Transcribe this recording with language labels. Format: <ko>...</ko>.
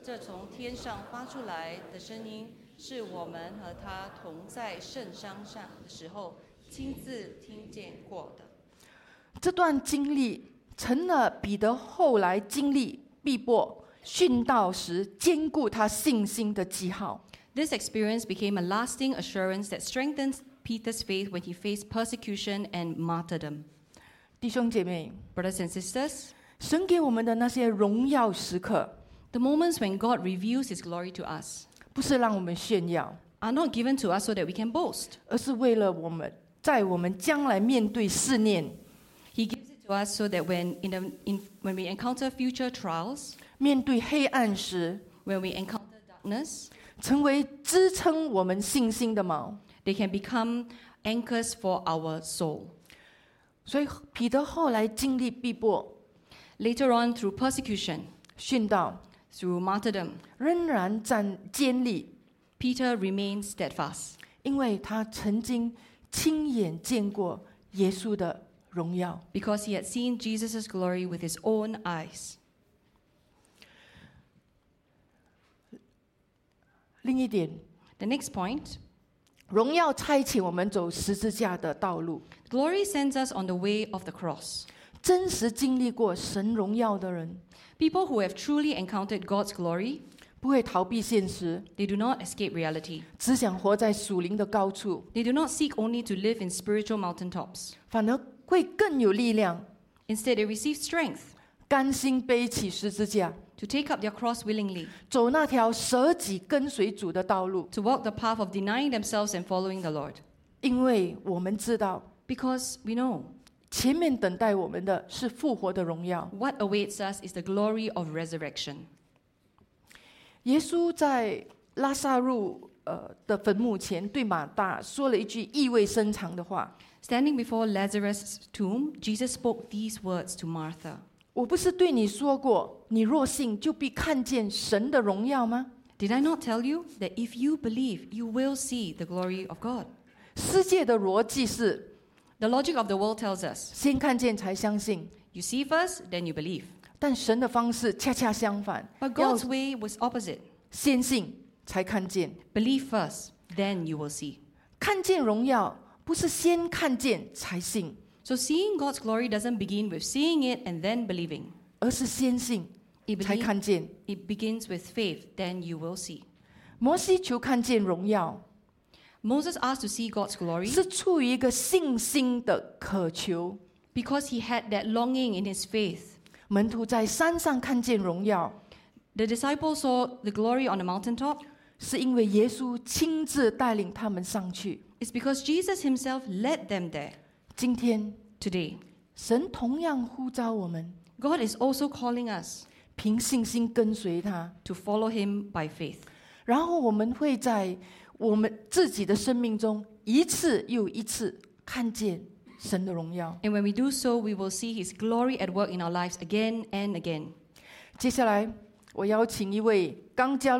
<zh>这从天上发出来的声音，是我们和他同在圣山上的时候亲自听见过的。这段经历成了彼得后来经历逼迫、殉道时坚固他信心的记号。</zh> <en>This experience became a lasting assurance that strengthens Peter's faith when he faced persecution and martyrdom.</en> <zh>弟兄姐妹</zh> <en>brothers and sisters,</en> <zh>神给我们的那些荣耀时刻</zh> <en>the moments when God reveals His glory to us,</en> <zh>不是让我们炫耀</zh> <en>are not given to us so that we can boast,</en> <zh>而是为了我们在我们将来面对试炼</zh> <en>He gives it to us so that when we encounter future trials,</en> <zh>面对黑暗时</zh> <en>when we encounter darkness,</en> <zh>成为支撑我们信心的锚。</zh> <en>They can become anchors for our soul.</en> <zh>所以彼得后来经历逼迫</zh> <en>later on through persecution,</en> <zh>殉道</zh> <en>through martyrdom,</en> <zh>仍然站坚立</zh> <en>Peter remained steadfast,</en> <zh>因为他曾经亲眼见过耶稣的荣耀</zh> <en>because he had seen Jesus' glory with his own eyes.</en> <zh>另一点</zh> <en>the next point.</en> <zh>荣耀差遣我们走十字架的道路。</zh> <en>Glory sends us on the way of the cross.</en> <zh>真实经历过神荣耀的人</zh> <en>，people who have truly encountered God's glory，</en> <zh>不会逃避现实</zh> <en>，they do not escape reality，</en> <zh>只想活在属灵的高处</zh> <en>，they do not seek only to live in spiritual mountaintops，</en> <zh>反而会更有力量</zh> <en>，instead they receive strength，</en> <zh>甘心背起十字架。</zh> <en>To take up their cross willingly,</en> <zh>走那条舍己跟随主的道路</zh> <en>To walk the path of denying themselves and following the Lord.</en> <zh>因为我们知道</zh> <en>Because we know,</en> <zh>前面等待我们的是复活的荣耀</zh> <en>What awaits us is the glory of resurrection.</en> <zh>耶稣在拉撒路的坟墓前对马大说了一句意味深长的话</zh> <en>Standing before Lazarus' tomb, Jesus spoke these words to Martha.</en> <zh>我不是对你说过，你若信，就必看见神的荣耀吗</zh> <en>？Did I not tell you that if you believe, you will see the glory of God？</en> <zh>世界的逻辑是</zh> <en>，The logic of the world tells us，</en> <zh>先看见才相信。</zh> <en>You see first, then you believe。</en> <zh>但神的方式恰恰相反</zh> <en>，But God's way was opposite。</en> <zh>先信才看见</zh> <en>，Believe first, then you will see。</en> <zh>看见荣耀不是先看见才信。</zh> <en>So seeing God's glory doesn't begin with seeing it and then believing.</en> <zh>而是先信才看见。</zh> <en>It begins with faith, then you will see.</en> <zh>摩西求看见荣耀。</zh> <en>Moses asked to see God's glory.</en> <zh>是出于一个信心的渴求。</zh> <en>Because he had that longing in his faith.</en> <zh>门徒在山上看见荣耀。</zh> <en>The disciples saw the glory on the mountaintop.</en> <zh>是因为耶稣亲自带领他们上去。</zh> <en>It's because Jesus himself led them there.</en> <zh>今天</zh> <en>，today，</en> <zh>神同样呼召我们。</zh> <en>God is also calling us，</en> <zh>凭信心跟随他</zh> <en>，to follow him by faith。</en> <zh>然后我们会在我们自己的生命中一次又一次看见神的荣耀。</zh> <en>And when we do so, we will see His glory at work in our lives again and again.</en> <zh>接下来，我邀请一位刚加入。</zh>